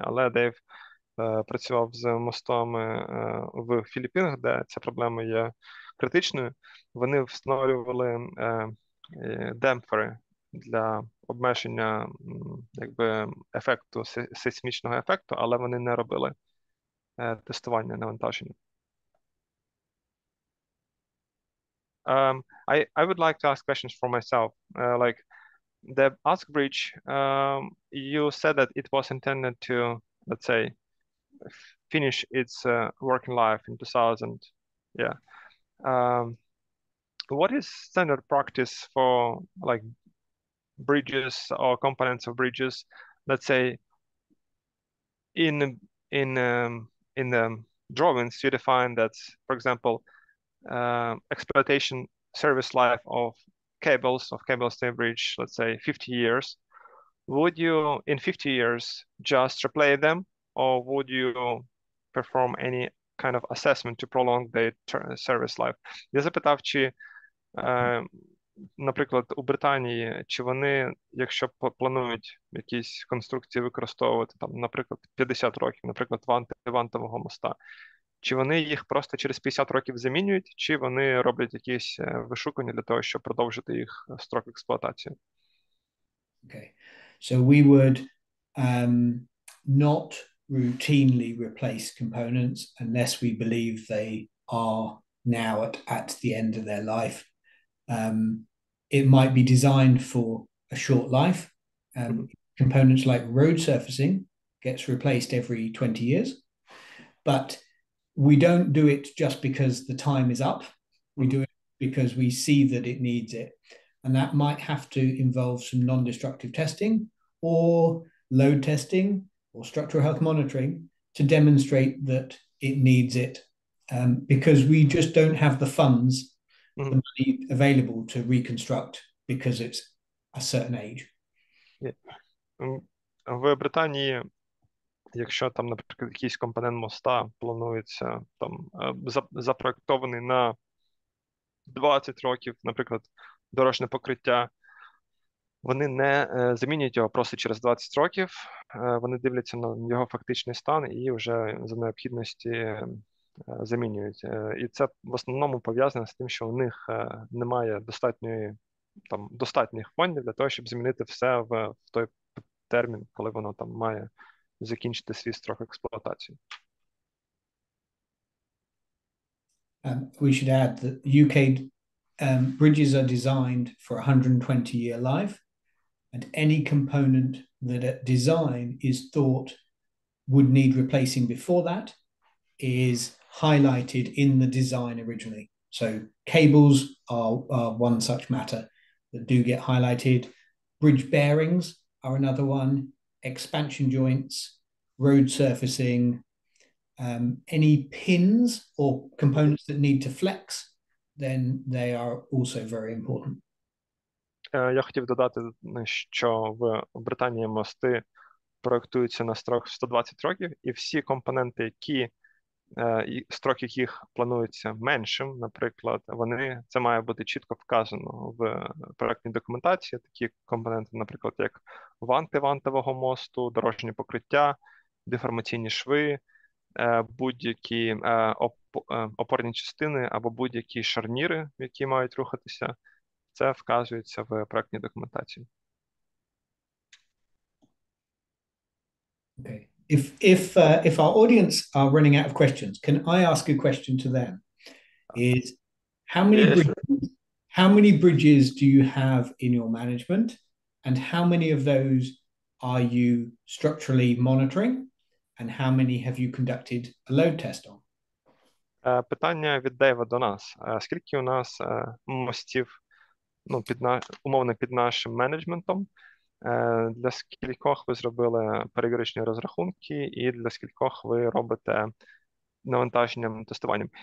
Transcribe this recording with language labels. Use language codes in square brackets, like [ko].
[uk] Але Дейв працював з мостами в Філіппінах, де ця проблема є критичною. Вони встановлювали демпфери для обмеження якби ефекту сейсмічного ефекту, але вони не робили тестування навантаження. [en] I would like to ask questions for myself. Like the ask bridge, you said that it was intended to, let's say, finish its working life in 2000. Yeah. What is standard practice for like bridges or components of bridges, let's say in the drawings you define that, for example, exploitation service life of cables, of cable stay bridge, let's say 50 years, would you in 50 years just replay them, or would you perform any kind of assessment to prolong the service life? [uk] Я запитав, чи, наприклад, у Британії, чи вони, якщо планують якісь конструкції використовувати, там, наприклад, 50 років, наприклад, вантового моста, чи вони їх просто через 50 років замінюють, чи вони роблять якісь вишукування для того, щоб продовжити їх строк експлуатації? [en] Okay. So we would not routinely replace components unless we believe they are now at the end of their life. It might be designed for a short life. Components like road surfacing gets replaced every 20 years, but we don't do it just because the time is up. We do it because we see that it needs it. And that might have to involve some non-destructive testing or load testing or structural health monitoring to demonstrate that it needs it, because we just don't have the funds, the money available to reconstruct because it's a certain age. [uk] Yeah. В Британії, якщо там, наприклад, якийсь компонент моста планується там запроектований на 20 років, наприклад, дорожне покриття, вони не замінюють його просто через 20 років, вони дивляться на його фактичний стан і вже за необхідності замінюють. І це в основному пов'язано з тим, що у них немає достатньої там достатніх фондів для того, щоб замінити все в той термін, коли воно там має закінчити свій строк експлуатації. [en] We should add that UK bridges are designed for 120 year life, and any component that at design is thought would need replacing before that is highlighted in the design originally. So cables are one such matter that do get highlighted. Bridge bearings are another one. Expansion joints, road surfacing, any pins or components that need to flex, then they are also very important. [uk] Я хотів додати, що в Британії мости проєктуються на строк 120 років, і всі компоненти, які строк яких планується меншим, наприклад, вони це має бути чітко вказано в проєктній документації. Такі компоненти, наприклад, як ванти вантового мосту, дорожнє покриття, деформаційні шви, будь-які опорні частини або будь-які шарніри, які мають рухатися. Це вказується в проєктній документації. [en] Okay. If our audience are running out of questions, can I ask a question to them? Is how many bridges do you have in your management, and how many of those are you structurally monitoring, and how many have you conducted a load test on? [uk] Питання від Дейва до нас. Скільки у нас мостів? Ну, умовно під нашим менеджментом, для скількох ви зробили перевірочні розрахунки і для скількох ви робите навантаженням, тестуванням.